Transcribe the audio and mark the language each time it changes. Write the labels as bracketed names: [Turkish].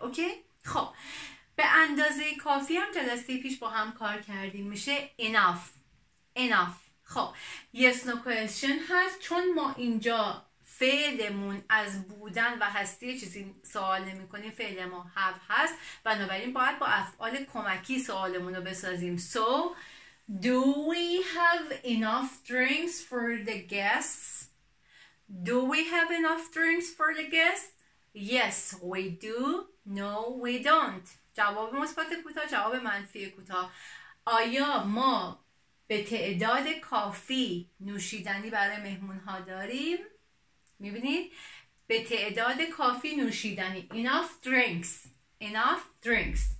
[Persian] اوکی؟ خب، به اندازه کافی هم جلسه پیش با هم کار کردیم، میشه enough، enough. خب، [English] yes no question [Persian] هست، چون ما اینجا فعلمون از بودن و هستی چیزی سوال نمی کنیم، فعل ما have هست، بنابراین باید با افعال کمکی سوالمون رو بسازیم. [English] So, do we have enough drinks for the guests? Do we have enough drinks for the guests? Yes, we do. No, we don't. [Persian] جواب مثبت کوتاه، جواب منفی کوتاه. آیا ما به تعداد کافی نوشیدنی برای مهمون ها داریم؟ میبینید؟ به تعداد کافی نوشیدنی. [English] Enough drinks. Enough drinks.